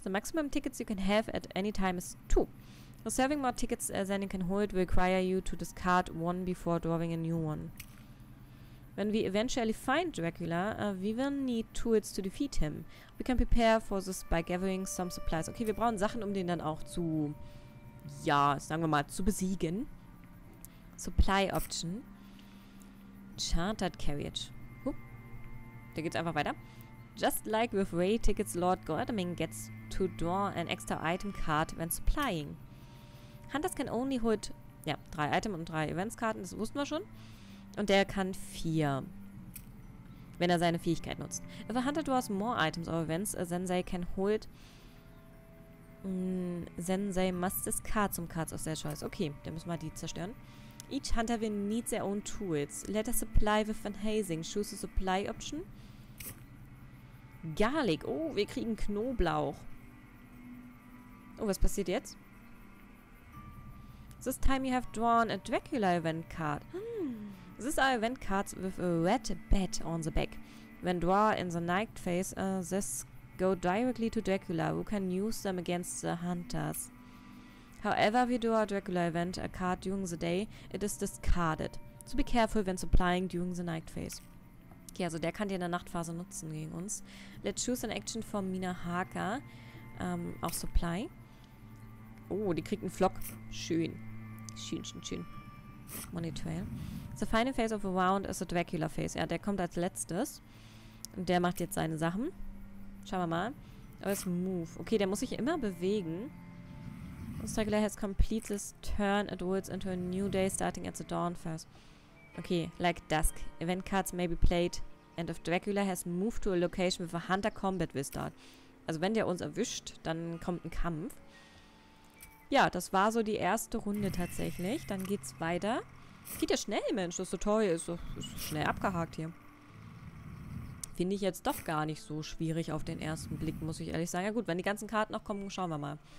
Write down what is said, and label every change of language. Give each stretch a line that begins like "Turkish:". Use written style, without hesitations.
English: The maximum tickets you can have at any time is 2. Reserving more tickets than you can hold will require you to discard one before drawing a new one. When we eventually find Dracula, we will need tools to defeat him. We can prepare for this by gathering some supplies.
German: Okay, wir brauchen Sachen, um den dann auch zu, ja, sagen wir mal, zu besiegen.
English: Supply option.
German: Chartered carriage. Huh. Da geht's einfach weiter.
English: Just like with Ray tickets, Lord Godalming gets to draw an extra item card when supplying. Hunters can only hold,
German: ja, 3 Item und 3 Eventskarten, das wussten wir schon. Und der kann 4, wenn er seine Fähigkeit nutzt.
English: If a hunter draws more items or events, then they can hold, then they must discard some cards of their choice.
German: Okay, dann müssen wir die zerstören.
English: Each hunter will need their own tools. Let us supply with Van Helsing. Choose the supply option. Garlic.
German: Oh, wir kriegen Knoblauch. Oh, was passiert jetzt?
English: This time you have drawn a Dracula event card. These are event cards with a red bat on the back. When drawn in the night phase, this go directly to Dracula, who can use them against the hunters. However, if you draw a Dracula event a card during the day, it is discarded. So be careful when supplying during the night phase.
German: Okay, also der kann die in der Nachtphase nutzen gegen uns.
English: Let's choose an action from Mina Harker.
German: Auch supply. Oh, die kriegt einen Flock. Schön. Schön, schön, schön. Money Trail.
English: The final phase of a round is the Dracula phase.
German: Ja, der kommt als letztes. Und der macht jetzt seine Sachen. Schauen wir mal.
English: Oh, it's move.
German: Okay, der muss sich immer bewegen.
English: Dracula has completed this turn. It rolls into a new day starting at the dawn phase. Okay, like dusk. Event cards may be played. And if Dracula has moved to a location with a hunter combat will start.
German: Also wenn der uns erwischt, dann kommt ein Kampf. Ja, das war so die erste Runde tatsächlich. Dann geht's weiter. Geht ja schnell, Mensch. Das Tutorial ist so schnell abgehakt hier. Finde ich jetzt doch gar nicht so schwierig auf den ersten Blick, muss ich ehrlich sagen. Ja gut, wenn die ganzen Karten noch kommen, schauen wir mal.